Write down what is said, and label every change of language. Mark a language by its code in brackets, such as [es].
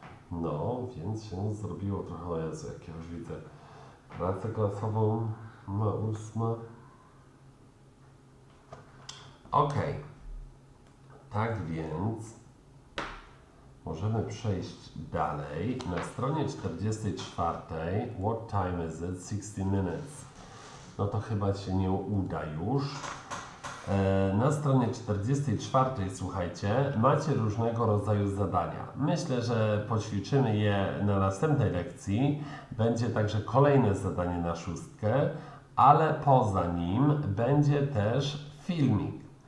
[pl] No, więc się zrobiło trochę, o Jezu, jak ja już widzę. Pracę klasową ma 8. Ok, tak więc możemy przejść dalej. Na stronie 44, [en] what time is it? 60 minutes. [pl] No to chyba się nie uda już. Na stronie 44, słuchajcie, macie różnego rodzaju zadania. Myślę, że poćwiczymy je na następnej lekcji. Będzie także kolejne zadanie na szóstkę, ale poza nim będzie też filmik.